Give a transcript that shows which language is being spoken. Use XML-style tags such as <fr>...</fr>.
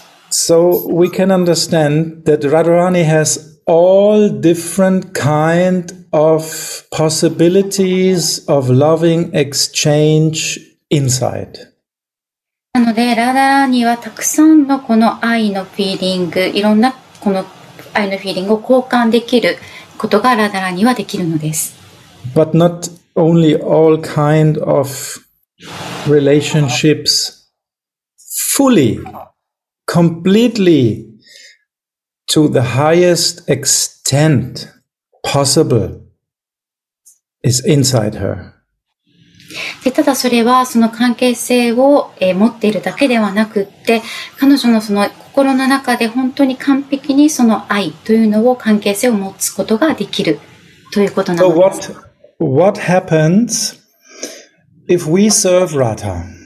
<en>So we can understand that Radharani has all different kind of possibilities of loving exchange inside.</en> <ja>なのでラダラニはたくさんのこの愛のフィーリング、いろんなこの愛のフィーリングを交換できる。ことがラダラにはできるのです。</ja> <en>But not only all kind of relationships fully, completely to the highest extent possible is inside her.</en> <ja>で、ただそれはその関係性を持っているだけではなくって、彼女のその心の中で本当に完璧にその愛というのを関係性を持つことができるということなのです。</ja> <en>So what happens if we serve Radha?</en>